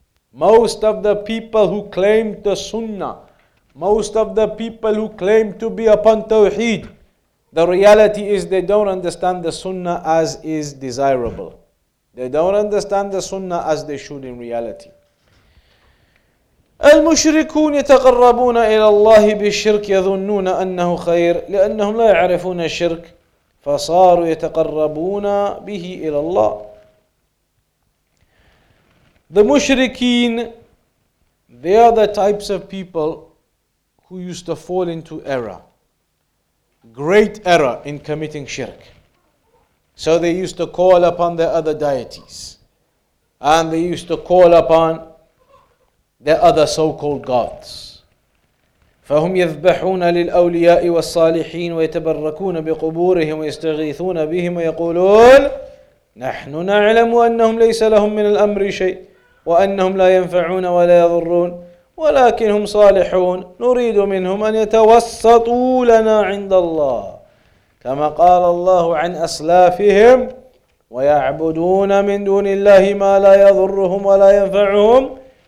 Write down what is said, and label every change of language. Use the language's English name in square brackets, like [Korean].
[English] Most of the people who claim the Sunnah, most of the people who claim to be upon Tawheed, the reality is they don't understand the Sunnah as is desirable. They don't understand the Sunnah as they should in reality. [Arabic] المشركون يتقربون إلى الله بالشرك يظنون أنه خير لأنهم لا يعرفون الشرك فصاروا يتقربون به إلى الله. [English] The mushrikeen, they are the types of people who used to fall into error, great error in committing shirk. So they used to call upon their other deities, and they used to call upon their other so-called gods. [Arabic] فَهُمْ يَذْبَحُونَ لِلْأَوْلِيَاءِ وَالصَّالِحِينَ وَيَتَبَرَّكُونَ بِقُبُورِهِمْ وَيَسْتَغِيثُونَ بِهِمْ وَيَقُولُونَ نَحْنُ نَعْلَمُ أَنَّهُمْ لَيْسَ لَهُمْ مِنَ الْأَمْرِ شَيْءٍ وَأَنَّهُمْ لَا يَنْفَعُونَ وَلَا يَضُرُّونَ وَلَكِنْهُمْ صَالِحُونَ نُرِيدُ مِنْهُمْ أَنْ يَتَوَسَّطُوا لَنَا عِنْدَ اللَّهِ كَمَا قَالَ اللَّهُ عَنْ أَسْلَافِهِمْ وَيَعْبُدُونَ مِنْ دُونِ اللَّهِ مَا لَا يَضُرُّهُمْ وَلَا يَنْفَعُهُمْ